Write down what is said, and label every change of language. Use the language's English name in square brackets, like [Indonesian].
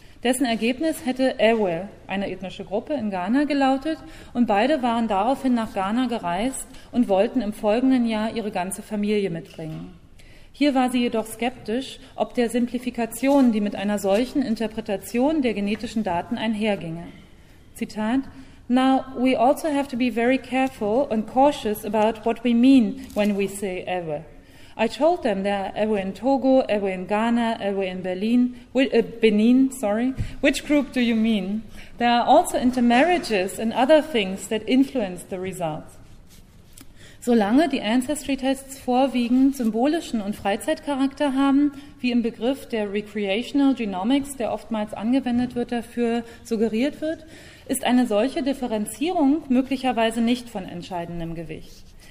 [German] Dessen Ergebnis hätte Ewe, eine ethnische Gruppe in Ghana, gelautet und beide waren daraufhin nach Ghana gereist und wollten im folgenden Jahr ihre ganze Familie mitbringen. Hier war sie jedoch skeptisch, ob der Simplifikation, die mit einer solchen Interpretation der genetischen Daten einherginge. [English] Zitat: Now, we also have to be very careful and cautious about what we mean when we say Ewe. I told them there are Ewe in Togo, Ewe in Ghana, Ewe in Benin. Which group do you mean? There are also intermarriages and other things that influence the results. [German] Solange die Ancestry-Tests vorwiegend symbolischen und Freizeitcharakter haben, wie im Begriff der Recreational Genomics, der oftmals angewendet wird, dafür suggeriert wird, ist eine solche Differenzierung möglicherweise nicht von entscheidendem Gewicht.